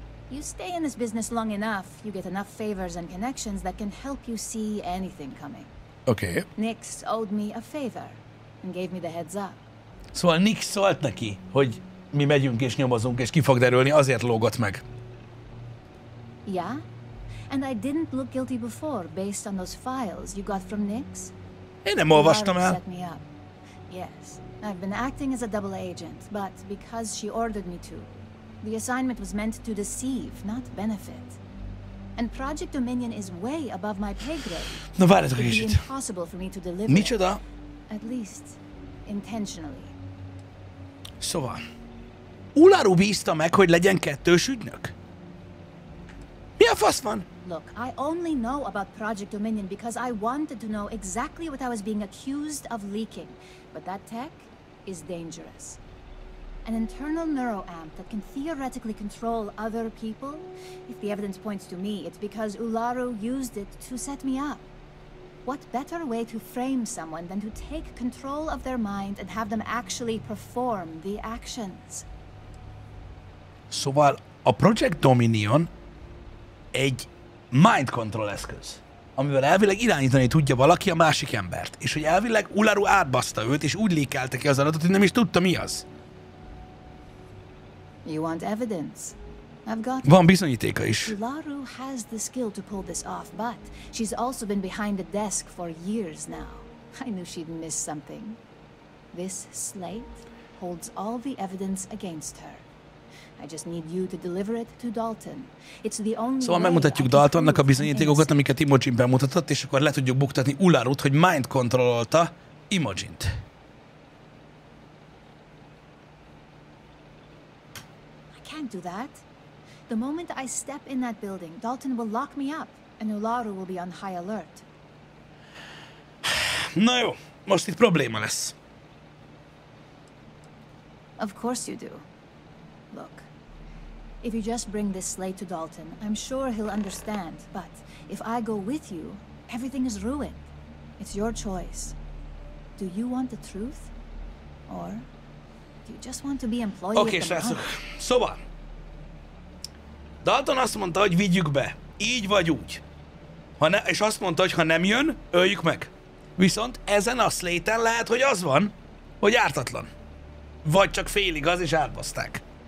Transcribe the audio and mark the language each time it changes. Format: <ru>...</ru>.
<en>You stay in this business long enough, you get enough favors and connections that can help you see anything coming. Okay. Nix owed me a favor and gave me the heads up.</en> <hu>Szóval Nix szólt neki, hogy mi megyünk és nyomozunk és ki fog derülni, azért lógott meg.</hu> <en>Yeah? And I didn't look guilty before based on those files you got from Nix?</en> <hu>Én nem olvastam el.</hu> <en>Yes, I've been acting as a double agent, but because she ordered me to. The assignment was meant to deceive, not benefit. And Project Dominion is way above my pay grade.</en> <hu>No, várjatok egy kicsit.</hu> <en>Impossible for me to deliver.</en> <hu>Micsoda?</hu> <en>At least intentionally.</en> <hu>Szóval, Ularu bízta meg, hogy legyen kettős ügynök? Mi a fasz van?</hu> <en>Look, I only know about Project Dominion because I wanted to know exactly what I was being accused of leaking. But that tech is dangerous. An internal neuroamp that can theoretically control other people? If the evidence points to me, it's because Ularu used it to set me up. What better way to frame someone than to take control of their mind and have them actually perform the actions?</en> <hu>Szóval a Project Dominion egy mind control eszköz, amivel elvileg irányítani tudja valaki a másik embert, és hogy elvileg Ularu átbaszta őt, és úgy lékelte ki az adatot, hogy nem is tudta, mi az.</hu> <en>You want evidence? I've got.</en> <hu>Van bizonyítéka is.</hu> <en>Ularu has the skill to pull this off, but she's also been behind the desk for years now. I knew she'd miss something. This slate holds all the evidence against her. I just need you to deliver it to Dalton. It's the only.</en> <hu>Szóval megmutatjuk Daltonnak a bizonyítékokat, amiket Imogen bemutatott, és akkor le tudjuk buktatni Ularut, hogy mind kontrollolta Imogent.</hu> <en>Can't do that. The moment I step in that building, Dalton will lock me up, and Ularu will be on high alert.</en> <hu>Na jó, most itt probléma lesz.</hu> <en>Of course you do. Look, if you just bring this slate to Dalton, I'm sure he'll understand. But if I go with you, everything is ruined. It's your choice. Do you want the truth, or do you just want to be employed?</en> <hu>Okay, srácok. Szóval. Dalton azt mondta, hogy vigyük be, így vagy úgy. Ha ne, és azt mondta, hogy ha nem jön, öljük meg. Viszont ezen a szléten lehet, hogy az van, hogy ártatlan. Vagy csak félig az, és átbaszták.</hu>